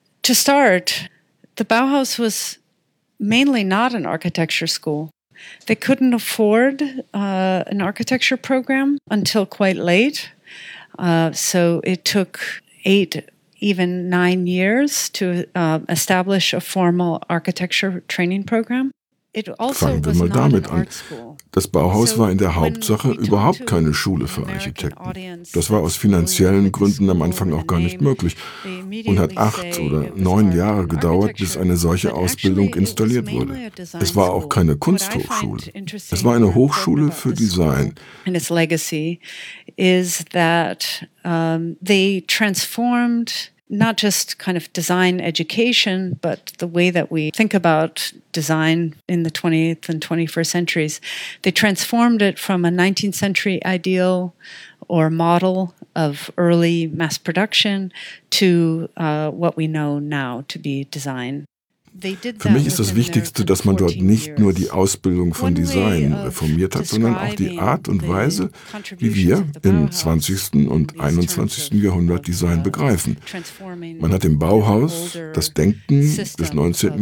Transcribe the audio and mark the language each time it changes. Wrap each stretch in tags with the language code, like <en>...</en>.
<en>To start, the Bauhaus was mainly not an architecture school. They couldn't afford an architecture program until quite late. So it took 8, even 9 years to establish a formal architecture training program.</en> <de>Fangen wir mal damit an. Das Bauhaus war in der Hauptsache überhaupt keine Schule für Architekten. Das war aus finanziellen Gründen am Anfang auch gar nicht möglich und hat 8 oder 9 Jahre gedauert, bis eine solche Ausbildung installiert wurde. Es war auch keine Kunsthochschule. Es war eine Hochschule für Design. Und</de> <en>its legacy is that they transformed not just kind of design education, but the way that we think about design in the 20th and 21st centuries. They transformed it from a 19th century ideal or model of early mass production to what we know now to be design.</en> <de>Für mich ist das Wichtigste, dass man dort nicht nur die Ausbildung von Design reformiert hat, sondern auch die Art und Weise, wie wir im 20. und 21. Jahrhundert Design begreifen. Man hat im Bauhaus das Denken des 19.</de>